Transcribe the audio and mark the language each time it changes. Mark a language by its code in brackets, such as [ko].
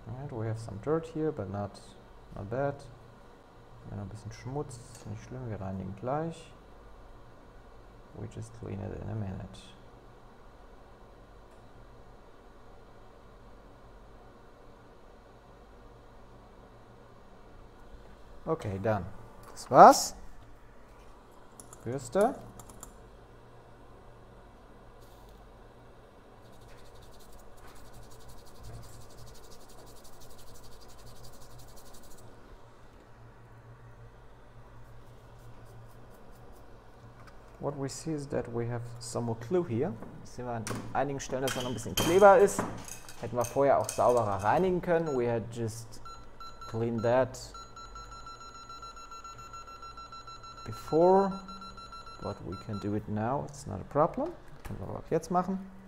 [en] We have some dirt here, but not bad. [de] Wir haben ein bisschen Schmutz, ist nicht schlimm, wir reinigen gleich. [en] We just clean it in a minute. Okay, done. [de] Das war's. Bürste. [en] What we see is that we have some more glue here. [de] Jetzt sehen wir an einigen Stellen, dass er noch ein bisschen Kleber ist. Hätten wir vorher auch sauberer reinigen können. [en] We had just cleaned that before. But we can do it now. It's not a problem. [de] Können wir aber auch jetzt machen.